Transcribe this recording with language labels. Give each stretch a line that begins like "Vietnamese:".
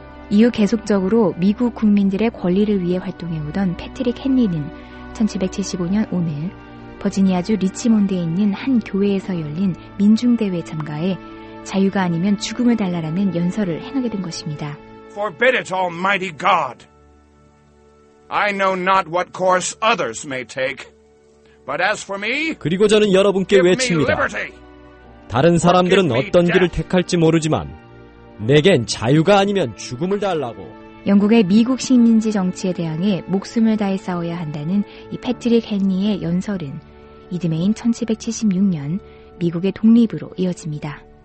Korean: 이후 계속적으로 미국 국민들의 권리를 위해 활동해오던 패트릭 헨리는 1775년 오늘 버지니아주 리치몬드에 있는 한 교회에서 열린 민중대회에 참가해 자유가 아니면 죽음을 달라라는 연설을 행하게 된 것입니다.
English: Forbid it, Almighty God. I know not what course others may take. But as for me,
Korean: 그리고 저는 여러분께 외칩니다. 다른 사람들은 어떤 길을 택할지 모르지만 내겐 자유가 아니면 죽음을 달라고. 영국의 미국 식민지 정치에 대항해 목숨을 다해 싸워야 한다는 이 패트릭 헨리의 연설은 이듬해인 1776년 미국의 독립으로 이어집니다.